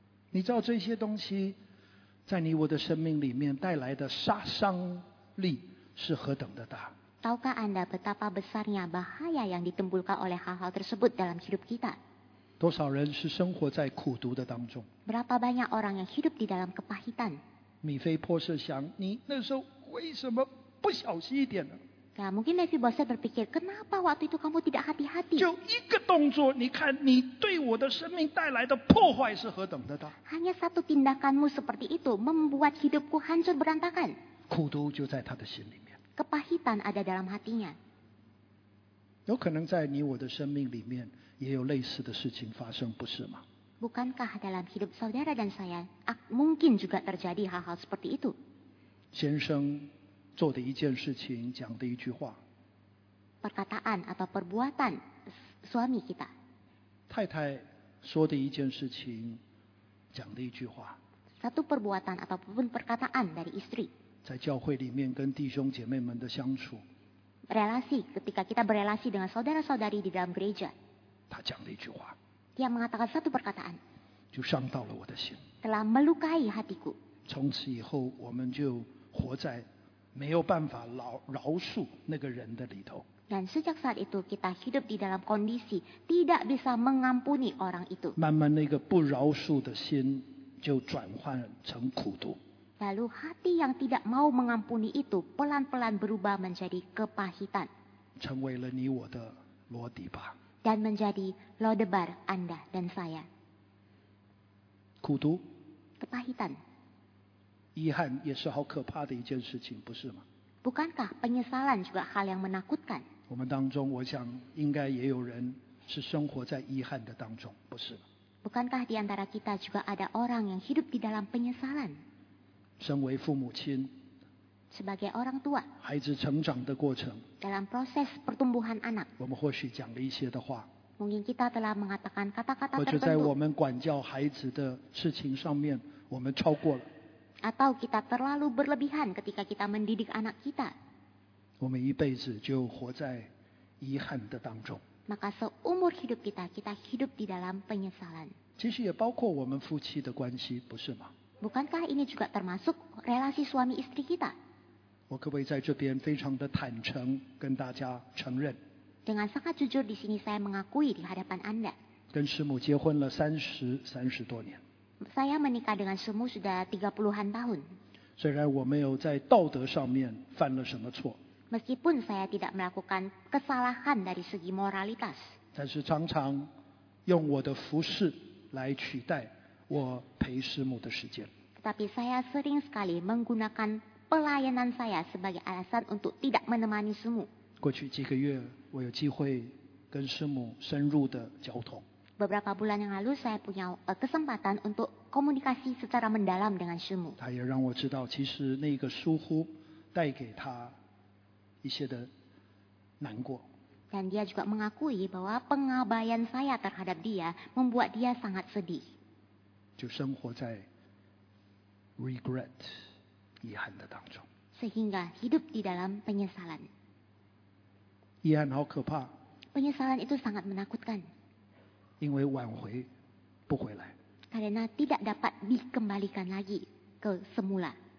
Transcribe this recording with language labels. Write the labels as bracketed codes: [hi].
[zh] 你知道这些东西在你我的生命里面带来的杀伤力是何等的大。 [id] Tahukah anda betapa besarnya bahaya yang ditimbulkan oleh hal-hal tersebut dalam hidup kita? [zh] 多少人是生活在苦毒的当中？ [id] Berapa banyak orang yang hidup di dalam kepahitan? [zh] 米非波设想，你那时候为什么不小心一点呢？ [id] Ya, mungkin Mephiboset berpikir, kenapa waktu itu kamu tidak hati-hati? [zh] 就一个动作，你看你对我的生命带来的破坏是何等的大？ [id] Hanya satu tindakanmu seperti itu membuat hidupku hancur berantakan. [zh] 苦毒就在他的心里。 [id] Kepahitan ada dalam hatinya. [zh] 有可能在你我的生命里面也有类似的事情发生，不是吗？ [id] Bukankah dalam hidup saudara dan saya mungkin juga terjadi hal-hal seperti itu? [zh] 先生做的一件事情，讲的一句话。 [id] Perkataan atau perbuatan suami kita. [zh] 太太说的一件事情，讲的一句话。 [id] Satu perbuatan ataupun perkataan dari istri. [zh] 在教会里面跟弟兄姐妹们的相处 [id] relasi ketika kita berrelasi dengan saudara saudari di dalam gereja [zh] 他讲了一句话 [id] dia mengatakan satu perkataan [zh] 就伤到了我的心 [id] telah melukai hatiku [zh] 从此以后我们就活在没有办法饶恕那个人的里头 [id] dan sejak saat itu kita hidup di dalam kondisi tidak bisa mengampuni orang itu [zh] 慢慢那个不饶恕的心就转换成苦毒 [id] Lalu hati yang tidak mau mengampuni itu pelan-pelan berubah menjadi kepahitan. [zh] 成为了你我的罗底巴。 [id] Dan menjadi Lodebar Anda dan saya. [zh] 苦毒。 [id] Kepahitan. [zh] 遗憾也是好可怕的一件事情，不是吗？ [id] Bukankah penyesalan juga hal yang menakutkan? [zh] 我们当中，我想应该也有人是生活在遗憾的当中，不是吗？ [id] Bukankah di antara kita juga ada orang yang hidup di dalam penyesalan? [zh] 身为父母亲 [id] sebagai orang tua [zh] 孩子成长的过程 [id] dalam proses pertumbuhan anak [zh] 我们或许讲了一些的话 [id] mungkin kita telah mengatakan kata-kata tertentu [zh] 或者在我们管教孩子的事情上面我们超过了 [id] atau kita terlalu berlebihan ketika kita mendidik anak kita [zh] 我们一辈子就活在遗憾的当中 [id] maka seumur hidup kita kita hidup di dalam penyesalan [zh] 其实也包括我们夫妻的关系不是吗 [id] Bukankah ini juga termasuk relasi suami istri kita? [zh] 我可不可以在这边非常的坦诚跟大家承认 [id] Dengan sangat jujur di sini saya mengakui di hadapan Anda [zh] 跟师母结婚了三十多年 [id] Saya menikah dengan 师母 sudah 30-an tahun [zh] 虽然我没有在道德上面犯了什么错 [id] Meskipun saya tidak melakukan kesalahan dari segi moralitas [zh] 但是常常用我的服饰来取代我陪师母的时间。 [id] Tetapi saya sering sekali menggunakan pelayanan saya sebagai alasan untuk tidak menemani 师母。 [zh] 过去几个月，我有机会跟师母深入的交通。 [id] Beberapa bulan yang lalu saya punya kesempatan untuk komunikasi secara mendalam dengan 师母。 [zh] 他也让我知道，其实那个疏忽带给他一些的难过。 [id] Dan dia juga mengakui bahwa pengabaian saya terhadap dia membuat dia sangat sedih. [zh] 就生活在 regret 遗憾的当中 [id] sehingga hidup di dalam penyesalan [zh] 遗憾好可怕 [id] penyesalan itu sangat menakutkan [zh] 因为挽回不回来 [id] karena tidak dapat dikembalikan lagi ke semula